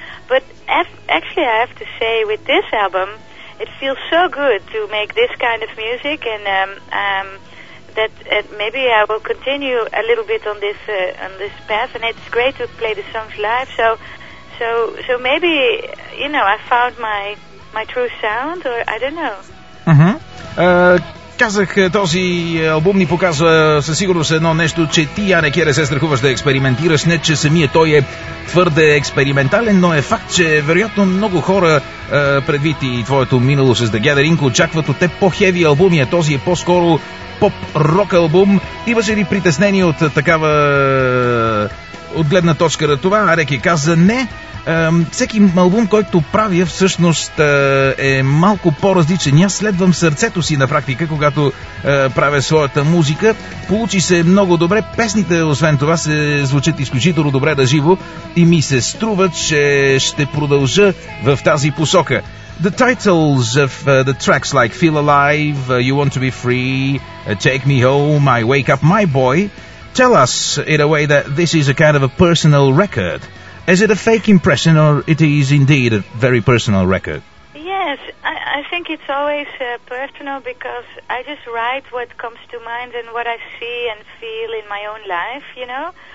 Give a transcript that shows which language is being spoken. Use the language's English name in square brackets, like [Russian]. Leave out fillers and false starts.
[English] But actually, I have to say, with this album, it feels so good to make this kind of music and maybe I will continue a little bit on this path, and it's great to play the songs live. So maybe, you know, I found my true sound, or I don't know. Mm-hmm. [Bulgarian] Казах, този албум ни показва със сигурност едно нещо, че ти, Янеке, не се страхуваш да експериментираш, не че самият той е твърде експериментален, но е факт, че вероятно много хора, предвид и твоето минало с The Gathering, очакват от те по-хеви албуми, а този е по-скоро поп-рок албум. Имаше ли притеснение от такава гледна точка на това? Ареке каза не. Всеки албум, който правя, всъщност е малко по-различен. Аз следвам сърцето си на практика, когато правя своята музика. Получи се много добре. Песните, освен това, се звучат изключително добре на живо и ми се струва, че ще продължа в тази посока. [English] The titles of the tracks like Feel Alive, You Want to Be Free, Take Me Home, I Wake Up My Boy tell us in a way that this is a kind of a personal record. Is it a fake impression, or it is indeed a very personal record? Yes, I think it's always personal because I just write what comes to mind and what I see and feel in my own life, you know?